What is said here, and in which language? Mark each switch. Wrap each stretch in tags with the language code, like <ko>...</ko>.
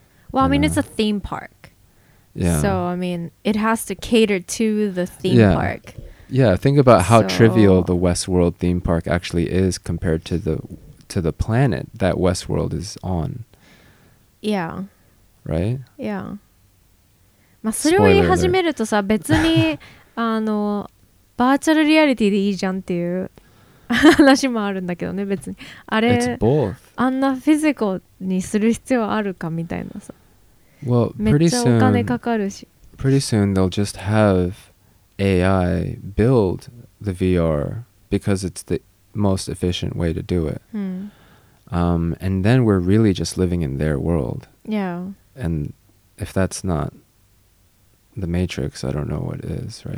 <en>Well, I mean, it's a theme park. Yeah. So, I mean, it has to cater to the theme park. Yeah, think about how trivial the Westworld theme park actually is compared to the planet that Westworld is on. Yeah. Right? Yeah.</en> <ja>まあ、それを言い始めるとさ、別にあの、バーチャルリアリティでいいじゃんっていう話もあるんだけどね、別に。あれ、</ja> <en>It's both.</en> <ja>あんなフィジカルにする必要あるかみたいなさ。</ja> <en>Well, pretty soon, they'll just have AI build the VR because it's the most efficient way to do it. And then we're really just living in their world. Yeah. And if that's not the Matrix, I don't know what is, right?</en>